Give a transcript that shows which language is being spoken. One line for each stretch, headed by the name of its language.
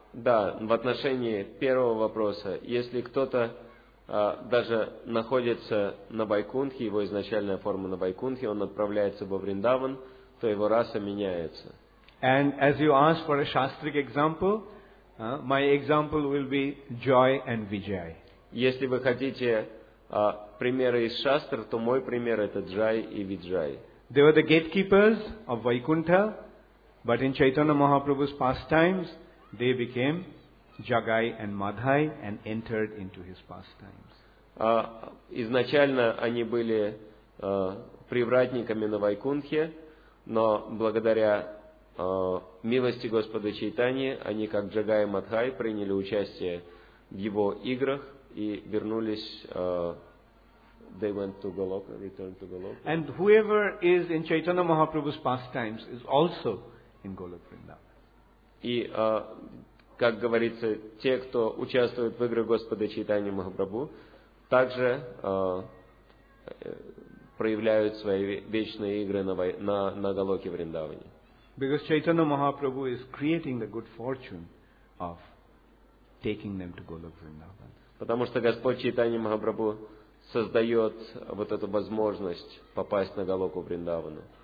Russian: Да, в отношении первого вопроса, если кто-то даже находится на Вайкунтхе, его изначальная форма на Вайкунтхе, он отправляется во Вриндаван, то его раса меняется.
English: And as you ask for a shastric example, my example will be joy and vijay.
Russian: Если вы хотите примеры из шастр, то мой пример это джай и виджай.
English: They were the gatekeepers of Vaikuntha. But in Chaitanya Mahaprabhu's pastimes, they became Jagai and Madhai and entered into his pastimes.
Russian: Изначально они были привратниками на Вайкунхе, но благодаря милости Господа Чайтаньи, они как Джагай и Мадхай приняли участие в его играх и вернулись.
English: They went to Goloka, returned to Goloka. And whoever is in Chaitanya Mahaprabhu's pastimes is also in Golok Vrindavan.
Russian: И, как говорится, те, кто участвует в играх Господа Чайтаньи Махапрабху, также проявляют свои вечные игры на Голоке Вриндаване.
English: Because Chaitanya Mahaprabhu is creating the good fortune of taking them to Golok Vrindavan.
Russian: Потому что Господь Чайтанья Махапрабху создает вот эту возможность попасть на Голоку Вриндавана.